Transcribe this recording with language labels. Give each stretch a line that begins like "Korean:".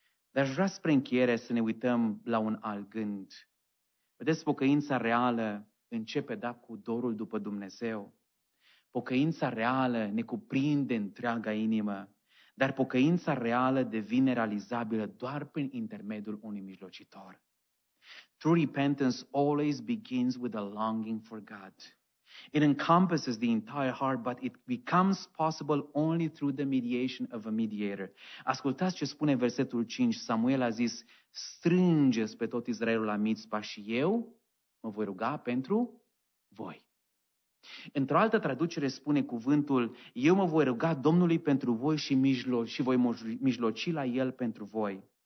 Romanian: Dar aș vrea spre încheiere să ne uităm la un alt gând. Vedeți, pocăința reală începe, da, cu dorul după Dumnezeu. Pocăința reală ne cuprinde întreaga inimă, dar pocăința reală devine realizabilă doar prin intermediul unui mijlocitor.
English: True repentance always begins with a longing for God. It encompasses the entire heart, but it becomes possible only through the mediation of a mediator.
Romanian: Ascultați ce spune versetul 5. Samuel a zis, strângeți pe tot Israelul la Mițpa și eu mă voi ruga pentru voi. Într-o altă traducere spune cuvântul, eu mă voi ruga Domnului pentru voi și voi mijloci la El pentru voi.